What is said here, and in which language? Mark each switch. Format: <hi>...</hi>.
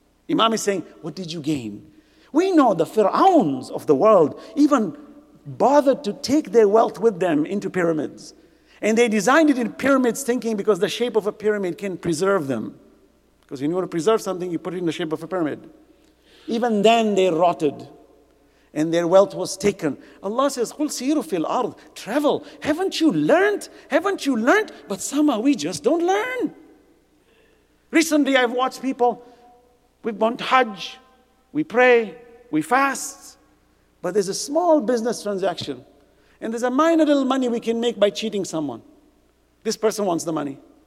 <en>Imam is saying, what did you gain? We know the Fir'auns of the world, even bothered to take their wealth with them into pyramids. And they designed it in pyramids thinking because the shape of a pyramid can preserve them. Because when you want to preserve something, you put it in the shape of a pyramid. Even then they rotted and their wealth was taken. Allah says,</en> <ar>قُلْ سِيرُ فِي الْأَرْضِ,</ar> <en>travel. Haven't you learned? Haven't you learned? But somehow we just don't learn. Recently I've watched people, we've gone to Hajj, we pray, we fast, but there's a small business transaction and there's a minor little money we can make by cheating someone. This person wants the money.</en>